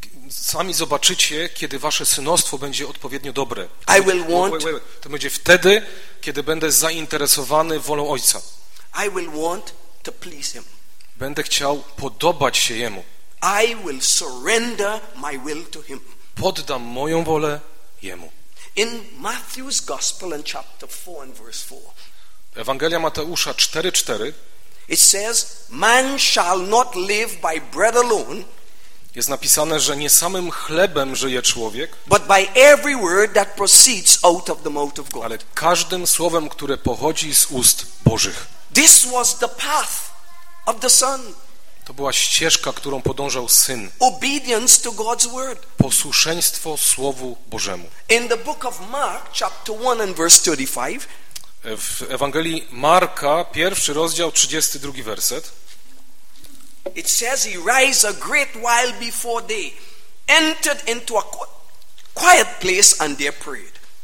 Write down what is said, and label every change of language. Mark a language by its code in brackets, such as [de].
[pl] Sami zobaczycie, kiedy wasze synostwo będzie odpowiednio dobre. [en] I will want, [pl] to będzie wtedy, kiedy będę zainteresowany wolą ojca. [en] I will want to please him. [pl] Będę chciał podobać się jemu. [en] I will surrender my will to him. [pl] Poddam moją wolę jemu. [en] In Matthew's Gospel in chapter 4 and verse 4. [pl] Ewangelia Mateusza 4:4. [en] It says, man shall not live by bread alone, [pl] Jest napisane, że nie samym chlebem żyje człowiek, [en] but by every word that proceeds out of the mouth of God. [pl] Ale każdym słowem, które pochodzi z ust Bożych. [en] This was the path of the Son. [pl] To była ścieżka, którą podążał Syn. [en] Obedience to God's word. [pl] Posłuszeństwo Słowu Bożemu. [en] In the book of Mark, chapter 1 and verse 35. [pl] W Ewangelii Marka, pierwszy rozdział, 32 werset. [en] It says he rise a great while before day, entered into a quiet place and there prayed.